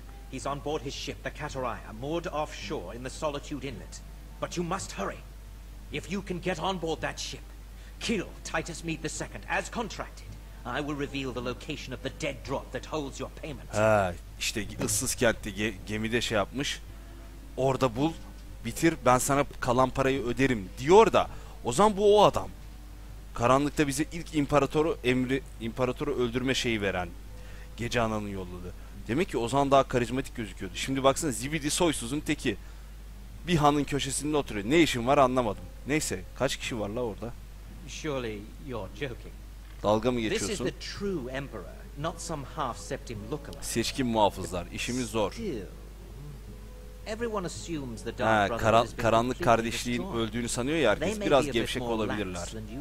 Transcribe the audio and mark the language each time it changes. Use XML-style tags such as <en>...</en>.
<en>He's on board his ship, the Katariya, moored offshore in the Solitude Inlet. But you must hurry. If you can get on board that ship, kill Titus Mead II as contracted. I will reveal the location of the dead drop that holds your payment.</en> <tr>Ha, işte ıssız kentte gemide şey yapmış. Orada bul, bitir, ben sana kalan parayı öderim diyor da. O zaman bu o adam. Karanlıkta bize ilk imparatoru öldürme şeyi veren gece ananı yolladı. Demek ki Ozan daha karizmatik gözüküyordu. Şimdi baksana, zibidi soysuzun teki. Bir hanın köşesinde oturuyor. Ne işin var anlamadım. Neyse, kaç kişi var la orada?</tr> <en>Surely you're joking.</en> <tr>Dalga mı geçiyorsun?</tr> <en>This is the true emperor, not some half-septim lookalike.</en> <tr>Seçkin muhafızlar, işimiz zor.</tr> <en>Everyone assumes the dark brother.</en> <tr>Karanlık kardeşliğin öldüğünü sanıyor ya herkes. Biraz gevşek olabilirler.</tr>